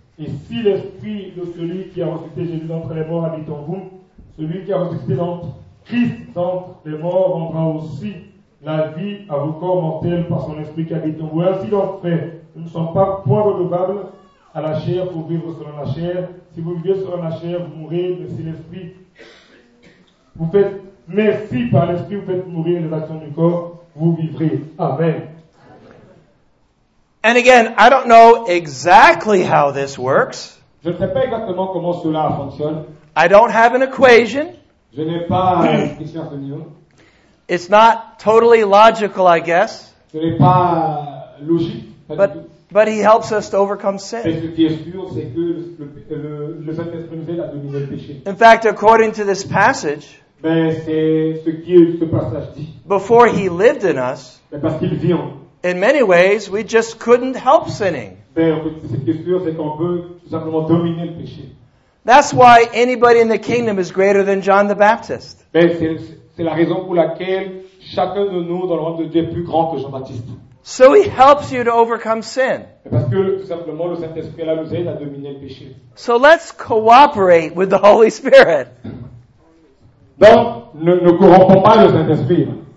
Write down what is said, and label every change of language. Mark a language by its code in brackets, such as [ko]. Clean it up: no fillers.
[fr] Et si l'esprit de celui qui a ressuscité Jésus d'entre les morts habite en vous, celui qui a ressuscité d'entre Christ d'entre les morts rendra aussi la vie à vos corps mortels par son esprit qui habite en vous. Ainsi donc, frères, nous ne sommes pas point redevables à la chair pour vivre selon la chair. Si vous vivez selon la chair, vous mourrez, mais si l'esprit vous faites, mais si par l'esprit vous faites mourir les actions du corps, vous vivrez. Amen. [en] And again, I don't know exactly how this works. [fr] Je ne sais pas exactement comment cela fonctionne. [en] I don't have an equation. [fr] Je n'ai pas une question à tenir. [en] It's not totally logical, I guess. [fr] Ce n'est pas logique, pas [en] but he helps us to overcome sin. [fr] Ce qui est sûr, c'est que le Saint-Esprit nous aide à dominer le péché. [en] In fact, according to this passage, [fr] ben, c'est ce que ce passage dit. [en] Before he lived in us, [fr] ben, parce qu'il vit en nous, [en] in many ways, we just couldn't help sinning. [fr] Ben, en fait, ce qui est sûr, c'est qu'on peut tout simplement dominer le péché. [en] That's why anybody in the kingdom is greater than John the Baptist. [fr] Ben, c'est la raison pour laquelle chacun de nous dans le royaume de Dieu est plus grand que Jean-Baptiste. [en] So he helps you to overcome sin. [fr] Parce que tout simplement le Saint-Esprit là nous aide à dominer le péché. [en] So let's cooperate with the Holy Spirit. [fr] Donc ne corrompons pas le Saint-Esprit.